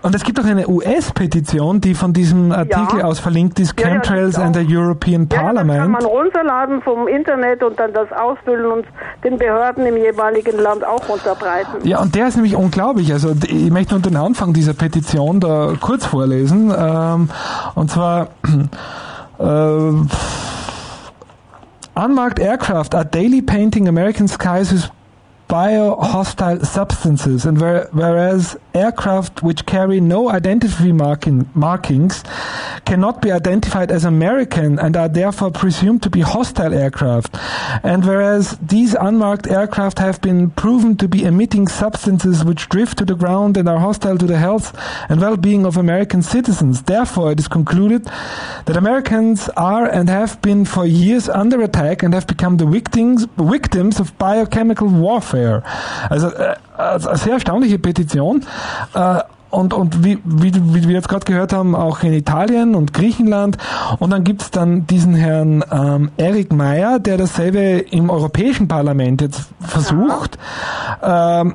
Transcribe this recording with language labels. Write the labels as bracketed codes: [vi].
[de] Und es gibt auch eine US-Petition, die von diesem Artikel aus verlinkt ist, Chemtrails and the European Parliament. Ja, das kann man runterladen vom Internet und dann das ausfüllen und den Behörden im jeweiligen Land auch unterbreiten. Ja, und der ist nämlich unglaublich. Also ich möchte nur den Anfang dieser Petition da kurz vorlesen. Und zwar... [en] Unmarked aircraft are daily painting American skies with biohostile substances, and whereas aircraft which carry no identity markings cannot be identified as American and are therefore presumed to be hostile aircraft, and whereas these unmarked aircraft have been proven to be emitting substances which drift to the ground and are hostile to the health and well-being of American citizens, therefore it is concluded that Americans are and have been for years under attack and have become the victims of biochemical warfare. [de] Also eine sehr erstaunliche Petition und wie wir jetzt gerade gehört haben, auch in Italien und Griechenland. Und dann gibt es dann diesen Herrn Eric Meyer, der dasselbe im Europäischen Parlament jetzt versucht. Ja.